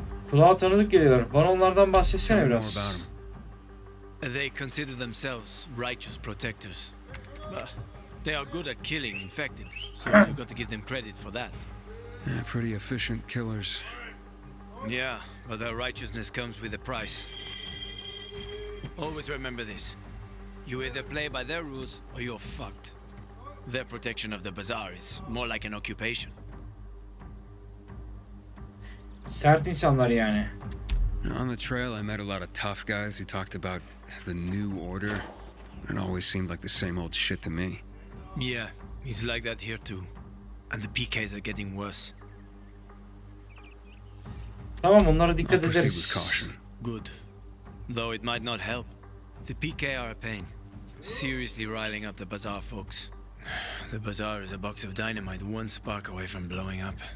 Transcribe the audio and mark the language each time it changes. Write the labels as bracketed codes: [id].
[tr] Kulağa tanıdık geliyor. Bana onlardan bahsetsene biraz. [en] They consider themselves righteous protectors. But they are good at killing infected. So you got to give them credit for that. Yeah, pretty efficient killers. Yeah, but their righteousness comes with a price. Always remember this. You either play by their rules or you're fucked. Their protection of the bazaar is more like an occupation. [tr] Sert insanlar yani. [en] On the trail I met a lot of tough guys who talked about the new order. It always seemed like the same old shit to me. Yeah, it's like that here too. And the PKs are getting worse. [tr] Tamam, onlara dikkat ederiz. [en] Good. Though it might not help. The PK are a pain. Seriously riling up the bazaar folks. The bazaar is a box of dynamite, one spark away from blowing up.